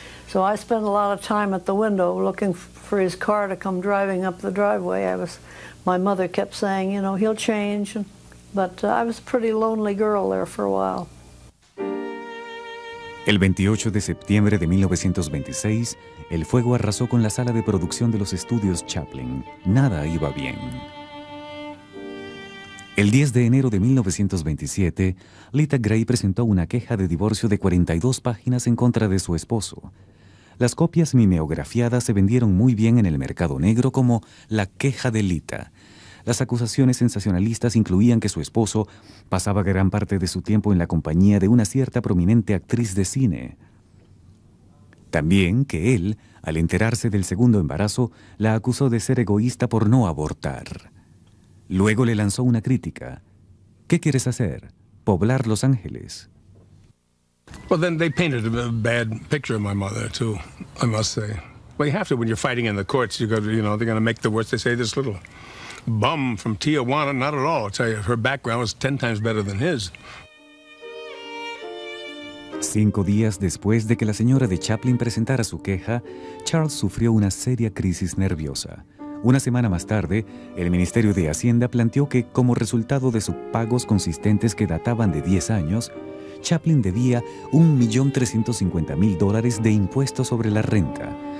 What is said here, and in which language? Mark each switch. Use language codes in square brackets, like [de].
[en] So I spent a lot of time at the window looking for his car to come driving up the driveway. My mother kept saying, you know, he'll change. But I was a pretty lonely girl there for a while. [es] El 28 de septiembre de 1926, el fuego arrasó con la sala de producción de los estudios Chaplin. Nada iba bien. El 10 de enero de 1927, Lita Gray presentó una queja de divorcio de 42 páginas en contra de su esposo. Las copias mimeografiadas se vendieron muy bien en el mercado negro como la queja de Lita. Las acusaciones sensacionalistas incluían que su esposo pasaba gran parte de su tiempo en la compañía de una cierta prominente actriz de cine. También que él, al enterarse del segundo embarazo, la acusó de ser egoísta por no abortar. Luego le lanzó una crítica. ¿Qué quieres hacer? ¿Poblar Los Ángeles? [en] Well, then they painted a bad picture of my mother, too, I must say. Well, you have to when you're fighting in the courts. You go, you know, they're going to make the worst. They say this little bum from Tijuana, not at all. I'll tell you, her background was 10 times better than his. [es] 5 días después de que la señora de Chaplin presentara su queja, Charles sufrió una seria crisis nerviosa. Una semana más tarde, el Ministerio de Hacienda planteó que, como resultado de sus pagos consistentes que databan de 10 años, Chaplin debía $1,350,000 de impuestos sobre la renta.